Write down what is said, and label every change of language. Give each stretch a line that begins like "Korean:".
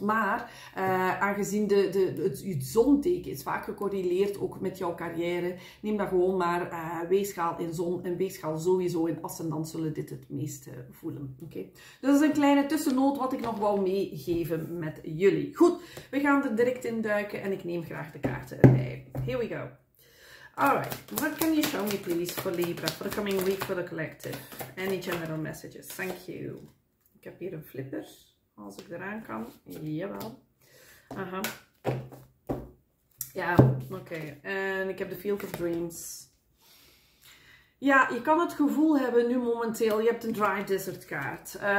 Dutch: Maar aangezien het zonteken is vaak gecorreleerd ook met jouw carrière, neem dat gewoon maar weegschaal in zon en weegschaal sowieso in ascendant zullen dit het meeste voelen. Okay? Dus dat is een kleine tussennoot wat ik nog wou meegeven met jullie. Goed, we gaan er direct in duiken en ik neem graag de kaarten erbij.
English: Here we go. Alright, what can you show me please for Libra for the coming week for the collective? Any general messages? Thank you.
Dutch: Ik heb hier een flipper, als ik eraan kan. Jawel. Aha. Ja, oké. En ik heb de Field of Dreams. Ja, je kan het gevoel hebben nu momenteel, je hebt een
English: dry desert
Dutch: kaart.